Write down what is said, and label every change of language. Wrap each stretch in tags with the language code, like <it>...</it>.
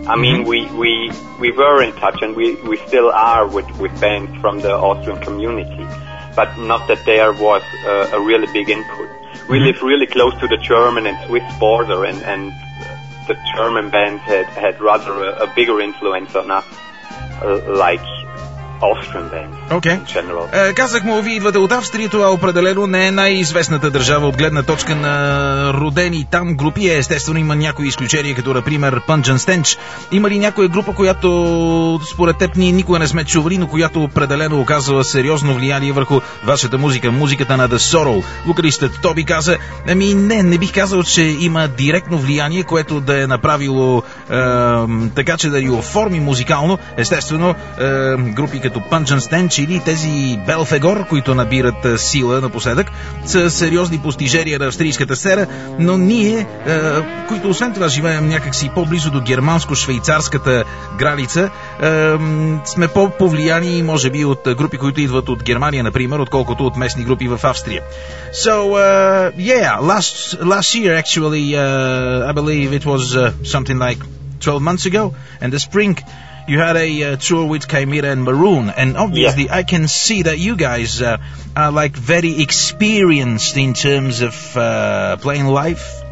<en>I mean, we were in touch, and we still are with bands from the Austrian community, but not that there was a really big input. We live really close to the German and Swiss border, and the German bands had rather a bigger influence on us, like Austrian band. Okей.</en> <bg>Казах му, вие идвате от Австрия, това определено не е най-известната държава от гледна точка на родени там групи. Естествено, има някои изключения, като, например, Punch and Stench. Има ли някоя група, която според теб ние никога не сме чували, но която определено оказва сериозно влияние върху вашата музика, музиката на The Sorrow? Вокалистът Тоби каза, ами не, не бих казал, че има директно влияние, което да е направило така, че да ни оформи музикално. Естествено, групи като Punch and Stench или тези Belphegor, които набират сила напоследък, са сериозни постижения на австрийската сцена, но ние, които освен това живеем някакси по-близо до германско-швейцарската граница, сме по-повлияни, може би, от групи, които идват от Германия, например, отколкото от местни групи в Австрия.</bg> <en>So, last year, actually, I believe it was something like 12 months ago, and the spring you had a tour with Chimera and Maroon, and obviously yeah. I can see that you guys are like very experienced in terms of playing live.</en>